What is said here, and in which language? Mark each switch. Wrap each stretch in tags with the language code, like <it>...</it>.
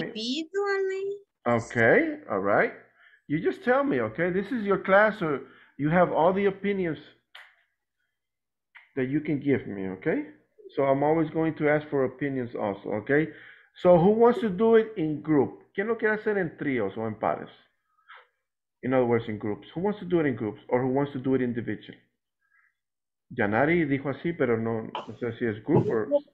<en>Individually? Okay, all right. You just tell me, okay? This is your class, so you have all the opinions that you can give me, okay? So I'm always going to ask for opinions also, okay? So who wants to do it in group?</en> <es>¿Quién lo quiere hacer en tríos o en pares?</es> <en>In other words, in groups. Who wants to do it in groups or who wants to do it individually?</en> <es>Yanari dijo así, pero no sé si es</es> <en>group or...</en>